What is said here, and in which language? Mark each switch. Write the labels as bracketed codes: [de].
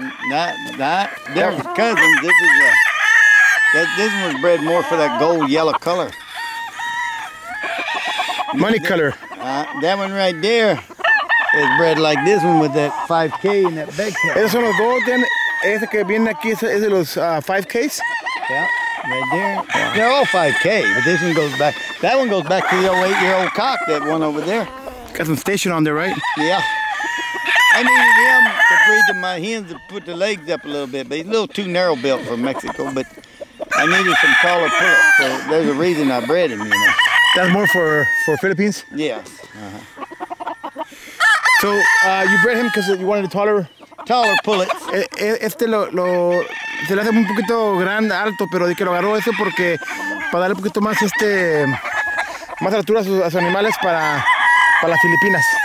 [en] Not. They're cousins. This is a... This one was bred more for that gold-yellow color. Money color. That one right there is bred like this one with that 5K and that bag. [es] Esos son los golden. Ese que viene aquí es de los 5Ks. [en] Yeah, right there. They're all 5K, but this one goes back. That one goes back to the old 8-year-old cock, that one over there. Got some station on there, right? Yeah. I needed him to breed to my hens to put the legs up a little bit, but he's a little too narrow built for Mexico, but I needed some taller pullets, so there's a reason I bred him, you know. That's more for Philippines? Yes. Uh-huh. So, you bred him because you wanted a taller pullet. [es] Este lo se le hace un poquito grande, alto, pero de que lo agarró ese porque para darle un poquito más este más altura a sus animales para las Filipinas.